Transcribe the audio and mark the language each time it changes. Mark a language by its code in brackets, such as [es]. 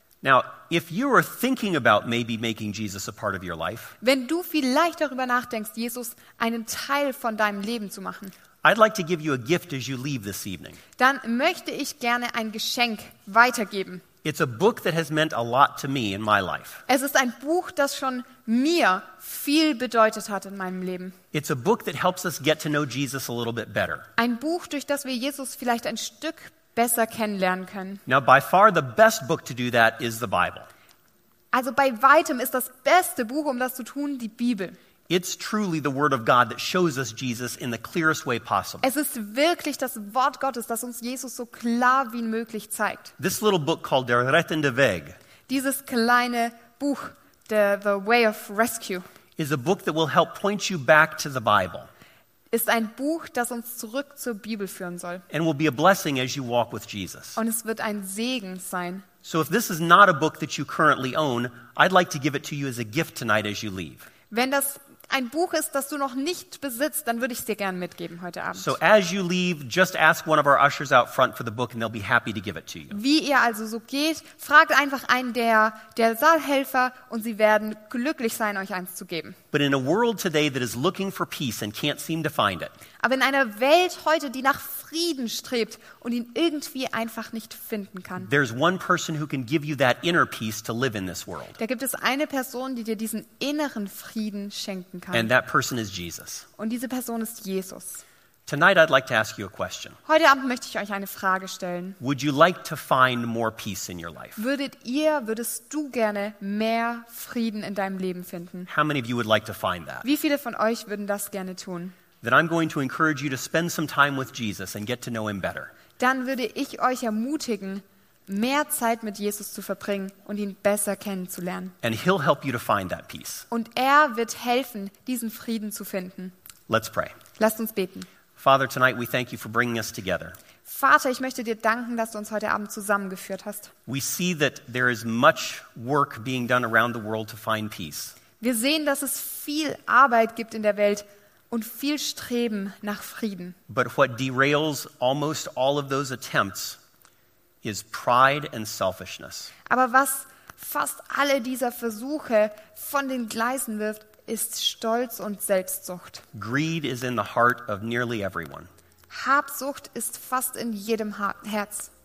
[en] Now, if you are thinking about maybe making Jesus a part of your life, [de] wenn du vielleicht darüber nachdenkst, Jesus einen Teil von deinem Leben zu machen, [en] I'd like to give you a gift as you leave this evening. [de] Dann möchte ich gerne ein Geschenk weitergeben. [en] It's a book that has meant a lot to me in my life. [de] Es ist ein Buch, das schon mir viel bedeutet hat in meinem Leben. [en] It's a book that helps us get to know Jesus a little bit better. [de] Ein Buch, durch das wir Jesus vielleicht ein Stück besser kennenlernen können. [en] Now, by far the best book to do that is the Bible. [de] Also bei weitem ist das beste Buch, um das zu tun, die Bibel. [en] It's truly the word of God that shows us Jesus in the clearest way possible. [de] Es ist wirklich das Wort Gottes, das uns Jesus so klar wie möglich zeigt. [en] This little book called Der rettende Weg. [de] Dieses kleine Buch, the Way of Rescue. [en] Is a book that will help point you back to the Bible. [de] Ist ein Buch, das uns zurück zur Bibel führen soll. [en] And will be a blessing as you walk with Jesus. [de] Und es wird ein Segen sein. [en] So if this is not a book that you currently own, I'd like to give it to you as a gift tonight as you leave. [de] Wenn das ein Buch ist, das du noch nicht besitzt, dann würde ich es dir gerne mitgeben heute Abend. [en] So as you leave, just ask one of our ushers out front for the book and they'll be happy to give it to you. [de] Wie ihr also so geht, fragt einfach einen der Saalhelfer und sie werden glücklich sein, euch eins zu geben. [en] But in a world today that is looking for peace and can't seem to find it. [de] Aber in einer Welt heute, die nach Frieden strebt und ihn irgendwie einfach nicht finden kann. [en] There's one person who can give you that inner peace to live in this world. [de] Da gibt es eine Person, die dir diesen inneren Frieden schenken kann. [en] And that person is Jesus. [de] Und diese Person ist Jesus. [en] Tonight I'd like to ask you a question. [de] Heute Abend möchte ich euch eine Frage stellen. [en] Would you like to find more peace in your life? [de] Würdest du gerne mehr Frieden in deinem Leben finden? [en] How many of you would like to find that? [de] Wie viele von euch würden das gerne tun? [en] Then I'm going to encourage you to spend some time with Jesus and get to know him better. [de] Dann würde ich euch ermutigen, mehr Zeit mit Jesus zu verbringen und ihn besser kennenzulernen. [en] And he'll help you to find that peace. [de] Und wird helfen, diesen Frieden zu finden. [en] Let's pray. [de] Lasst uns beten. [en] Father, tonight we thank you for bringing us together. [de] Vater, ich möchte dir danken, dass du uns heute Abend zusammengeführt hast. [en] We see that there is much work being done around the world to find peace. [de] Wir sehen, dass es viel Arbeit gibt in der Welt und viel Streben nach Frieden. [en] But what derails almost all of those attempts is pride and selfishness. [de] Aber was fast alle dieser Versuche von den Gleisen wirft, ist Stolz und Selbstsucht. [en] Greed is in the heart of nearly everyone. [de] Habsucht ist fast in jedem Herz.